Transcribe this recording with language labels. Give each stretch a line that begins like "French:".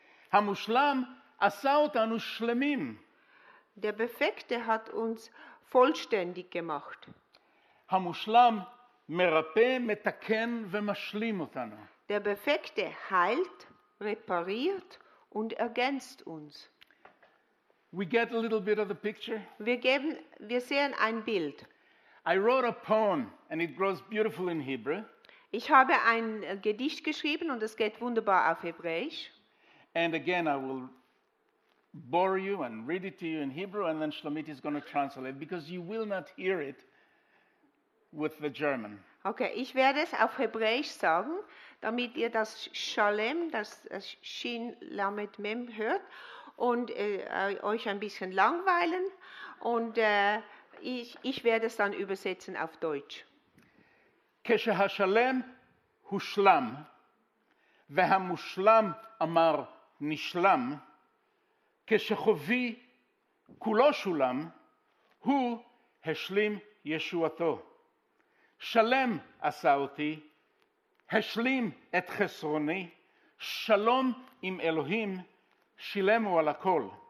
Hebrew: Hamushlam asa otanu shlemim.
German: Der Perfekte hat uns vollständig gemacht.
Hebrew: Hamushlam merape metaken vemashlim otanu.
German: Der Perfekte heilt, repariert und ergänzt uns.
English: We get a little bit of the picture.
German: Wir sehen ein Bild.
English: I wrote a poem and it grows beautiful in Hebrew.
German: Ich habe ein Gedicht geschrieben und es geht wunderbar auf Hebräisch.
English: And again, I will bore you and read it to you in Hebrew, and then Shlomit is going to translate, because you will not hear it with the German.
German: Okay, ich werde es auf Hebräisch sagen, damit ihr das Shalem, das Shin Lamed Mem hört und euch ein bisschen langweilen. Und ich werde es dann übersetzen auf Deutsch.
Hebrew: כשהשלם הושלם, והמושלם אמר נשלם, כשחובי כולו שולם, הוא השלים ישועתו. שלם עשה אותי, השלים את חסרוני, שלום עם אלוהים, שילמו על הכל.